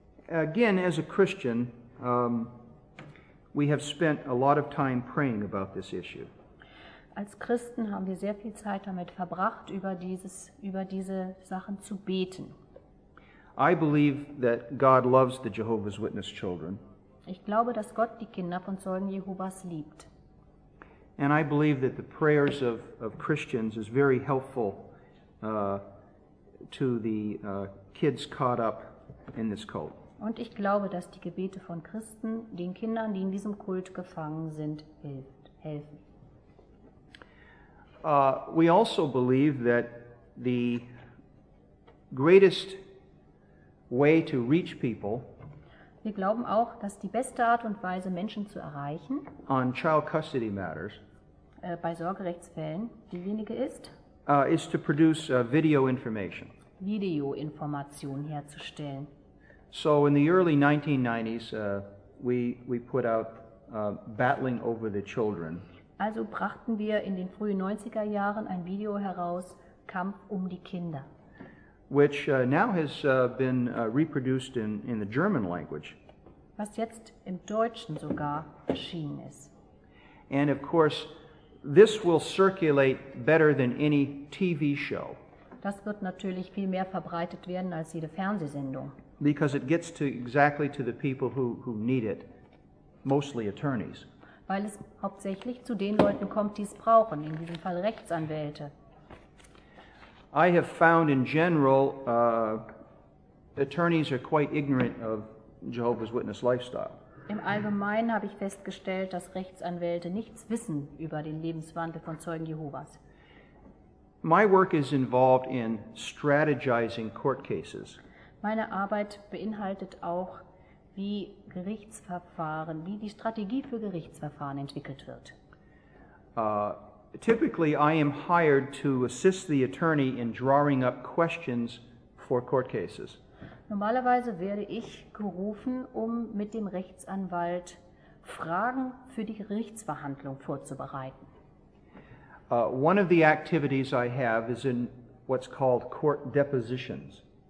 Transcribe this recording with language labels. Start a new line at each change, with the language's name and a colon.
English: Again, as a Christian, we have spent a lot of time praying about this issue.
German: Als Christen haben wir sehr viel Zeit damit verbracht, über diese Sachen zu beten.
English: I believe that God loves the Jehovah's Witness children.
German: Ich glaube, dass Gott die Kinder von Zeugen Jehovas liebt.
English: And I believe that the prayers of Christians is very helpful to the kids caught up in this cult.
German: Und ich glaube, dass die Gebete von Christen den Kindern, die in diesem Kult gefangen sind, helfen.
English: We also believe that the greatest way to reach people,
German: wir glauben auch, dass die beste Art und Weise, Menschen zu erreichen,
English: on child custody matters,
German: bei Sorgerechtsfällen, diejenige ist,
English: is to produce video information.
German: Videoinformation herzustellen.
English: So in the early 1990s, we put out Battling Over the Children.
German: Also brachten wir in den frühen 90er Jahren ein Video heraus, Kampf um die Kinder.
English: Which now has been reproduced in the German language.
German: Was jetzt im Deutschen sogar erschienen ist.
English: And of course, this will circulate better than any TV show.
German: Das wird natürlich viel mehr verbreitet werden als jede Fernsehsendung.
English: Because it gets to exactly to the people who need it, mostly attorneys.
German: Weil es hauptsächlich zu den Leuten kommt, die es brauchen, in diesem Fall Rechtsanwälte.
English: I have found in general attorneys are quite ignorant of Jehovah's Witness lifestyle.
German: Im Allgemeinen habe ich festgestellt, dass Rechtsanwälte nichts wissen über den Lebenswandel von Zeugen Jehovas.
English: My work is involved in strategizing court cases.
German: Meine Arbeit beinhaltet auch, wie Gerichtsverfahren, wie die Strategie für Gerichtsverfahren entwickelt wird.
English: Typically I am hired to assist the attorney in drawing up questions for court cases.
German: Normalerweise werde ich gerufen, um mit dem Rechtsanwalt Fragen für die Gerichtsverhandlung vorzubereiten.
English: One of the activities I have is in what's called court depositions.